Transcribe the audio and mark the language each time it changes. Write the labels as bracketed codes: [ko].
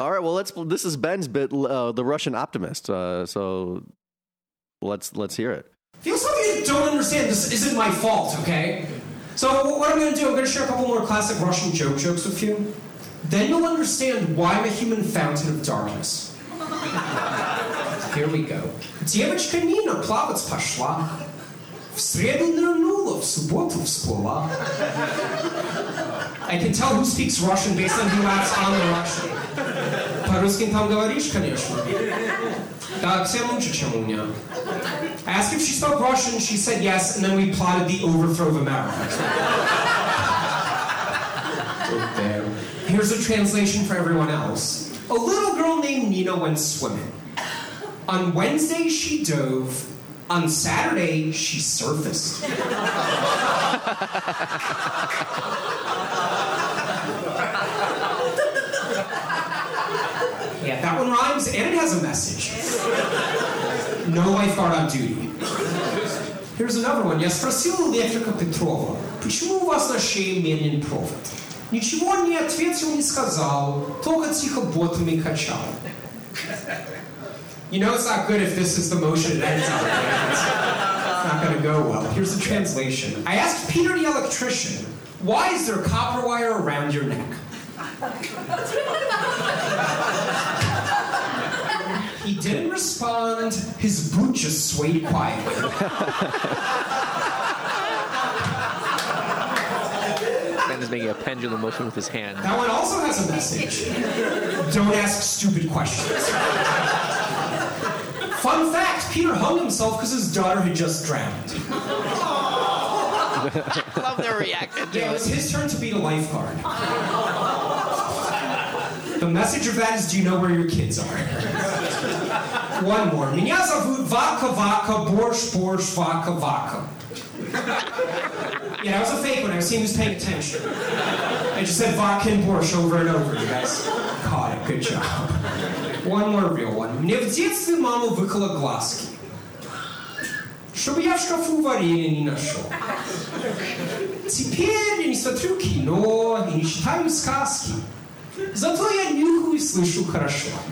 [en] All right. Well, this is Ben's bit, the Russian optimist. So let's hear it. Feels like you don't understand. This isn't my fault, okay? So what I'm going to do, I'm going to share a couple more classic Russian jokes with you. Then you'll understand why I'm a human fountain of darkness. Here we go. [ru] Девочка Нина плавать пошла. В среду нырнула, в субботу всплыла. [en] I can tell who speaks Russian based on who acts on the Russian. [ru] По-русски там говоришь, конечно. Да, всем лучше, чем у меня. [en] I asked if she spoke Russian, she said yes, and then we plotted the overthrow of America. Here's a translation for everyone else. A little girl named Nina went swimming. On Wednesday, she dove. On Saturday, she surfaced. Yeah, that one rhymes, and it has a message. No lifeguard on duty. Here's another one. [ru] Я спросил электрика Петрова, почему у вас на шее менин провод? Ничего он не ответил, не сказал, только тихо ботами качал. [en] You know it's not good if this is the motion it ends on. It's not going to go well. Here's the translation. I asked Peter the electrician, why is there copper wire around your neck? He didn't respond. His boot just swayed quietly. Is making a pendulum motion with his hand. That one also has a message. Don't ask stupid questions. Fun fact, Peter hung himself because his daughter had just drowned. Love their reaction. Yeah, it was his turn to be the lifeguard. The message of that is, do you know where your kids are? One more. [ru] Меня зовут Vodka Vodka Borscht Borscht Vodka Vodka. [en] Yeah, that was a fake one. I was seeing who's paying attention. I just said vodka and borscht over and over. You guys caught it. Good job. One more real one. [ru] Мне в детстве мама выкала глазки, чтобы я в шкафу варенье не нашел. Теперь я не смотрю кино и не читаю сказки. Зато я нюхаю и слышу хорошо.